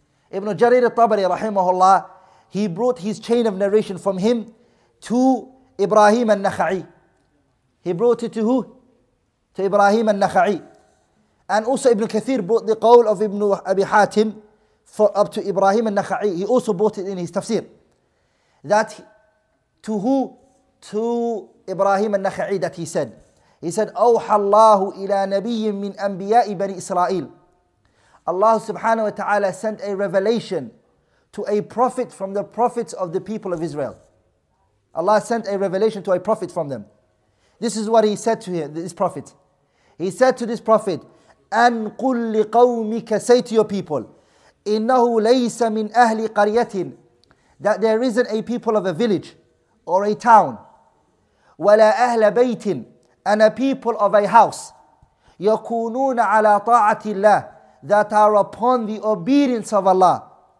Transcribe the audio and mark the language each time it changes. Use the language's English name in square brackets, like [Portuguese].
[English] Ibn Jarir al-Tabari rahimahullah, he brought his chain of narration from him to Ibrahim al-Nakha'i. He brought it to who? To Ibrahim al-Nakha'i. And also Ibn Kathir brought the qawl of Ibn Abi Hatim for up to Ibrahim al-Nakha'i. He also brought it in his tafsir. That to who? To Ibrahim al-Nakha'i, that he said. He said, [Arabic] أوحى الله إلى نبي من أنبياء بني إسرائيل. [English] Allah subhanahu wa ta'ala sent a revelation to a prophet from the prophets of the people of Israel. Allah sent a revelation to a prophet from them. This is what he said to him, this prophet. He said to this prophet, [Arabic] "An qul li qawmika," [English] say to your people, [Arabic] "innahu laysa min ahli qaryatin," [English] that there isn't a people of a village or a town, [Arabic] "wala ahla baytin," [English] and a people of a house, [Arabic] "yakunun ala ta'atillah," [English] that are upon the obedience of Allah.